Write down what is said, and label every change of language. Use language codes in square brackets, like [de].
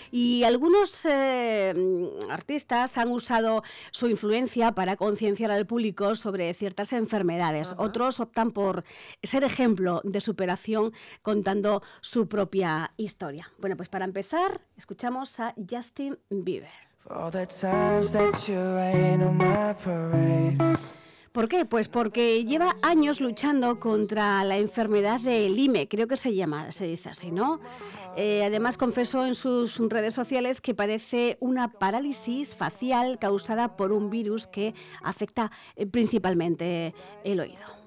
[es] Y algunos artistas han usado su influencia para concienciar al público sobre ciertas enfermedades. Uh-huh. Otros optan por ser ejemplo de superación contando su propia historia. Bueno, pues para empezar, escuchamos a Justin Bieber. [en] For the times that you rain on my parade. [es] ¿Por qué? Pues porque lleva años luchando contra la enfermedad del IME, creo que se dice así, ¿no? Además confesó en sus redes sociales que padece una parálisis facial causada por un virus que afecta principalmente el oído.